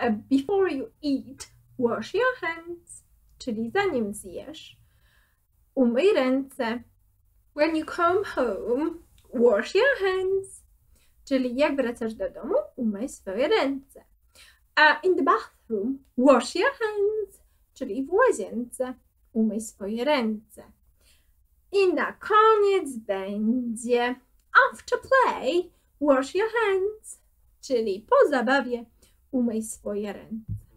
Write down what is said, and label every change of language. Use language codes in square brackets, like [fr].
[en] Before you eat, wash your hands. [pl] Czyli zanim zjesz, umyj ręce. [en] When you come home, wash your hands. [pl] Czyli jak wracasz do domu, umyj swoje ręce. [en] In the bathroom, wash your hands. [pl] Czyli w łazience, umyj swoje ręce. I na koniec będzie [en] after play, wash your hands. [pl] Czyli po zabawie, umyj swoje ręce.